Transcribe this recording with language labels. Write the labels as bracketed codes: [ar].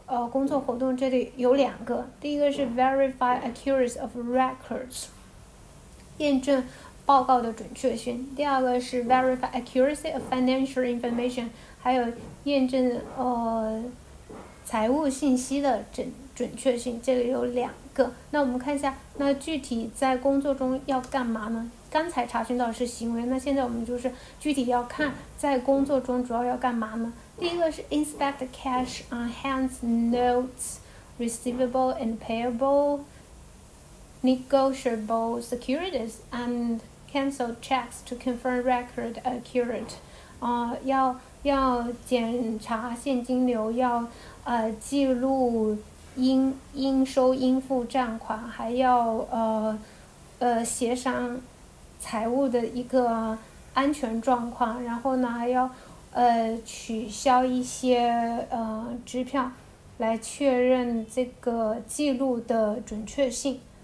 [zh] 工作活动，这里有两个，第一个是 [en] verify accuracy of records， [zh] 验证报告的准确性；第二个是 [en] verify accuracy of financial information， [zh] 还有验证财务信息的准确性，这里有两个。那我们看一下，那具体在工作中要干嘛呢？刚才查询到是行为，那现在我们就是具体要看在工作中主要要干嘛呢？第一个是 [en] inspect cash on hand, notes, receivable and payable, negotiable securities and cancel checks to confirm record accurate。 [zh] 要检查现金流，要记录应收应付账款，还要协商财务的一个安全状况，然后呢还要取消一些支票来确认这个记录的准确性。